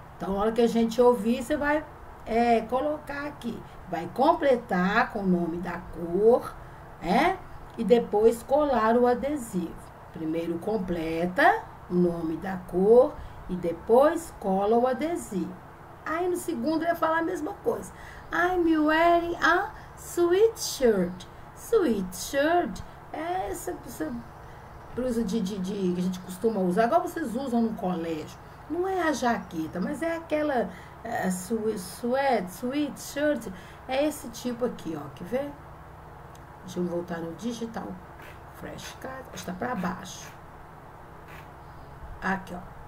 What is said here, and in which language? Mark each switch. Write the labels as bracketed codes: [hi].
[pt] Então, na hora que a gente ouvir, você vai colocar aqui. Vai completar com o nome da cor, né? E depois colar o adesivo. Primeiro completa o nome da cor e depois cola o adesivo. Aí no segundo ele vai falar a mesma coisa. [en] I'm wearing a sweatshirt. [pt] Sweatshirt é essa blusa que a gente costuma usar. Agora vocês usam no colégio. Não é a jaqueta, mas é aquela sweatshirt. É esse tipo aqui, ó. Quer ver? Deixa eu voltar no digital. Fresh card. Está para baixo. Aqui, ó.